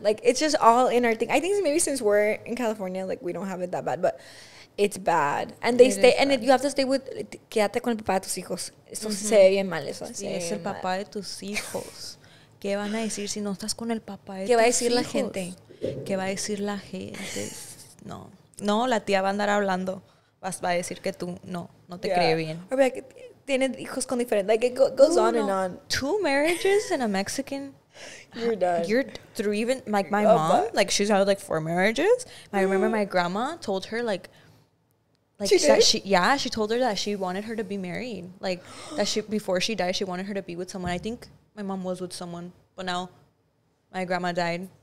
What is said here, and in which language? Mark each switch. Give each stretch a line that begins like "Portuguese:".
English: Like, it's just all in our thing. I think maybe since we're in California, like, we don't have it that bad, but it's bad. And they stay, and you have to stay with,
Spanish: quédate con el papá de tus hijos. Eso se ve bien mal, eso. Sí, es el papá de tus hijos. ¿Qué van a decir si no estás con el papá de tus hijos? ¿Qué va a decir la gente? ¿Qué va a decir la gente? No. No, la tía va a andar hablando. Va a decir que tú, no te cree bien.
English: Or be like,
Spanish: tiene hijos con diferentes.
English: Like, it goes on and on. Two marriages and a Mexican. You're done. You're through even, like, my mom, like, she's had, like, four marriages. I remember my grandma told her, like she told her that she wanted her to be married. Like, that she, before she died, she wanted her to be with someone. I think my mom was with someone, but now my grandma died.